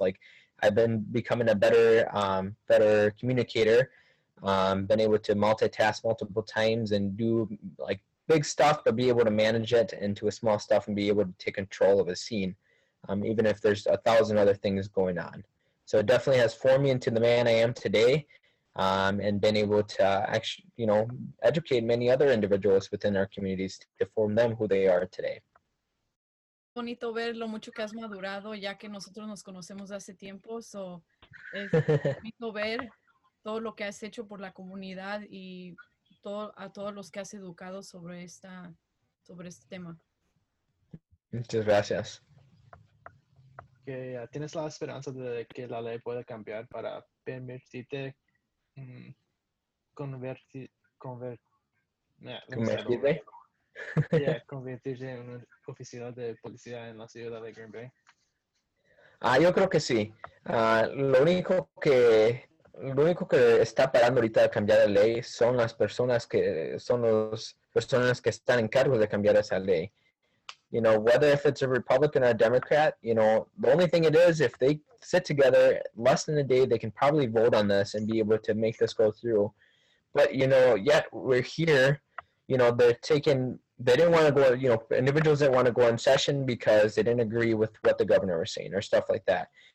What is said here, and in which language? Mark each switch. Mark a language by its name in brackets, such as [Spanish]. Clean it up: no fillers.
[English] Like, I've been becoming a better better communicator, been able to multitask multiple times and do like big stuff, but be able to manage it into a small stuff and be able to take control of a scene, even if there's 1,000 other things going on. So it definitely has formed me into the man I am today, and been able to actually, you know, educate many other individuals within our communities to form them who they are today. [Spanish] Bonito ver lo mucho que has madurado, ya que nosotros nos conocemos de hace tiempo. So, es bonito ver todo lo que has hecho por la comunidad y todo, a todos los que has educado sobre esta, sobre este tema. Muchas gracias. Okay, ¿tienes la esperanza de que la ley pueda cambiar para permitirte convertirte? Yeah, convertirse en un oficial de policía en la ciudad de Green Bay. Ah, yo creo que sí. Lo único que está parando ahorita de cambiar la ley son las personas que son los personas que están en cargo de cambiar esa ley. [English] You know, whether if it's a Republican or a Democrat, you know, the only thing it is, if they sit together less than a day, they can probably vote on this and be able to make this go through. But, you know, yet we're here. You know, they didn't want to go, you know, individuals didn't want to go in session because they didn't agree with what the governor was saying or stuff like that.